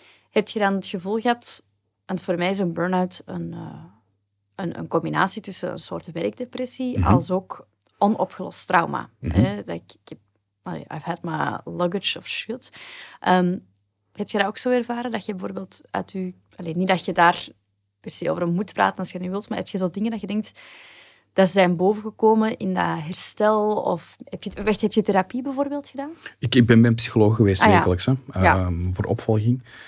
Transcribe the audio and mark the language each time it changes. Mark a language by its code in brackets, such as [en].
[nl] Heb je dan het gevoel gehad, want voor mij is een burn-out een combinatie tussen een soort werkdepressie als ook onopgelost trauma. [en] I've had my luggage of shit. [nl] Heb je dat ook zo ervaren? Dat je bijvoorbeeld uit je... Allee, niet dat je daar per se over moet praten als je nu wilt, maar heb je zo dingen dat je denkt dat zijn bovengekomen in dat herstel? Of heb je therapie bijvoorbeeld gedaan? Ik ben bij een psycholoog geweest wekelijks, voor opvolging.